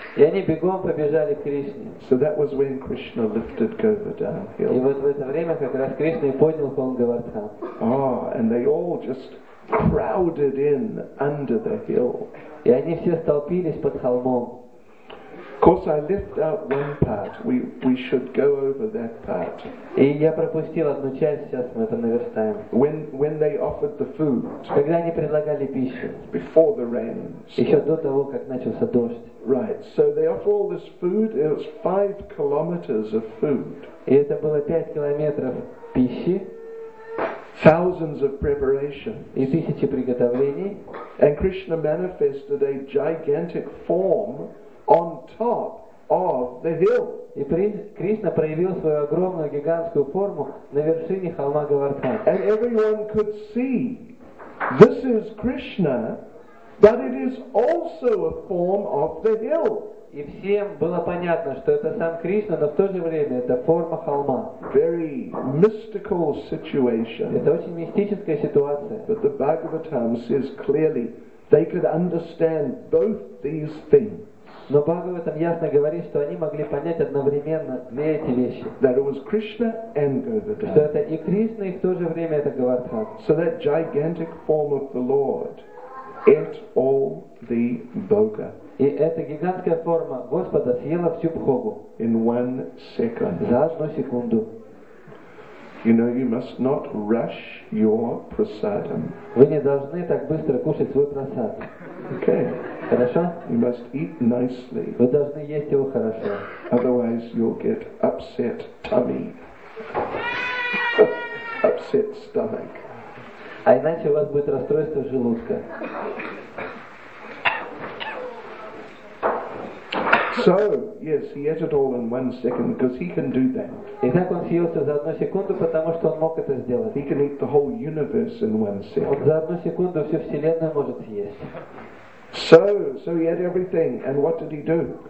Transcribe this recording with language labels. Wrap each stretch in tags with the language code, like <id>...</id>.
<ru>И они бегом побежали к Кришне.</ru> <en>So that was when Krishna lifted Govardhan Hill.</en> <ru>И вот в это время как раз Кришна поднял холм Говардхан.</ru> <en>Oh, and they all just crowded in under the hill.</en> <ru>И они все столпились под холмом.</ru> <en>Of course, I left out one part. We should go over that part.</en> <ru>И я пропустил одну часть. Сейчас мы это наверстаем.</ru> <en>When they offered the food.</en> <ru>Когда они предлагали пищу.</ru> <en>Before the rain.</en> <ru>Еще до того, как начался дождь.</ru> <en>Right. So they offer all this food. It was 5 kilometers of food.</en> <ru>И это было 5 километров пищи.</ru> <en>Thousands of preparations.</en> <ru>И тысячи приготовлений.</ru> <en>And Krishna manifested a gigantic form on top of the hill.</en> <ru>И Кришна проявил свою огромную гигантскую форму на вершине холма Говардхан.</ru> <en>And everyone could see this is Krishna, but it is also a form of the hill.</en> <ru>И всем было понятно, что это сам Кришна, но в то же время это форма холма.</ru> <en>Very mystical situation.</en> <ru>Это очень мистическая ситуация.</ru> <en>But the Bhagavatam says clearly they could understand both these things.</en> <ru>Но Бхагаватам ясно говорит, что они могли понять одновременно две эти вещи.</ru> <en>That it was Krishna and Govardhan.</en> <ru>Что это и Кришна, и в то же время это Говардхан.</ru> <en>So that gigantic form of the Lord ate all the bhoga.</en> <ru>И эта гигантская форма Господа съела всю бхогу.</ru> <en>In one second.</en> <ru>За одну секунду.</ru> <en>You know, you must not rush your prasadam.</en> <ru>Вы не должны так быстро кушать свой прасад.</ru> <en>Okay.</en> <ru>Хорошо?</ru> <en>You must eat nicely.</en> <ru>Вы должны есть его хорошо.</ru> <en>Otherwise, you'll get upset tummy. Upset stomach.</en> <ru>А иначе у вас будет расстройство желудка.</ru> <en>So, yes, he ate it all in 1 second because he can do that.</en> <ru>Итак, он съел все за одну секунду, потому что он мог это сделать.</ru> <en>He can eat the whole universe in 1 second.</en> <ru>Он за одну секунду всю вселенную может съесть.</ru> <en>So he ate everything, and what did he do?</en>